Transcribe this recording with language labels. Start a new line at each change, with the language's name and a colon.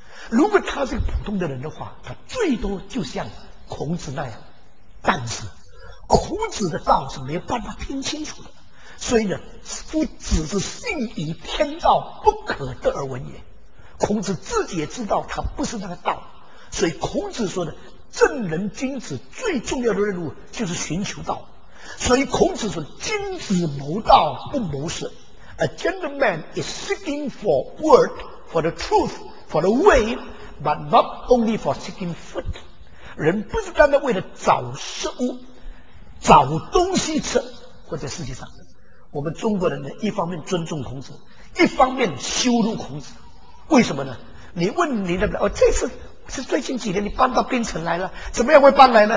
Chinese: 如果他是个普通的人的话，他最多就像孔子那样，但是孔子的道是没有办法听清楚的，所以呢，夫子是信以天道不可得而闻也。孔子自己也知道他不是那个道，所以孔子说的正人君子最重要的任务就是寻求道。所以孔子说君子谋道不谋事，
English: A gentleman is seeking for word, for the truth, for the way, but not only for seeking food.
Chinese: 人不是单单为了找食物找东西吃，或在世界上我们中国人呢，一方面尊重孔子，一方面羞辱孔子。为什么呢？你问你的哦，这次是最近几年你搬到边城来了，怎么样会搬来呢？